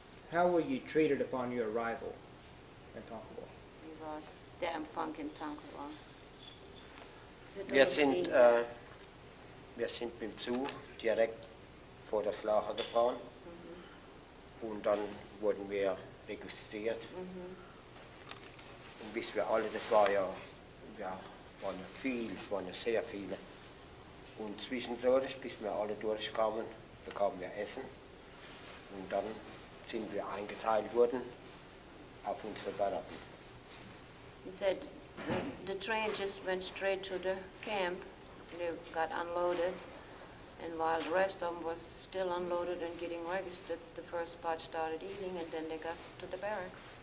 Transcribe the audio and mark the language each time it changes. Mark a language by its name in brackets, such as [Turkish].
[English] How were you treated upon your arrival in Tonkawa? We was damn funk in Tonkawa. [German] Wir sind mit dem Zug direkt vor das Lager gefahren. Mm-hmm. Und dann wurden wir registriert. Mm-hmm. Und bis wir alle, das war ja waren ja viele, es waren ja sehr viele. Und zwischendurch, bis wir alle durchkamen, bekommen wir Essen. Und dann sind wir eingeteilt worden auf unsere Baracken. [English] He said, the train just went straight to the camp. They got unloaded. And while the rest of them was still unloaded and getting registered, the first part started eating, and then they got to the barracks.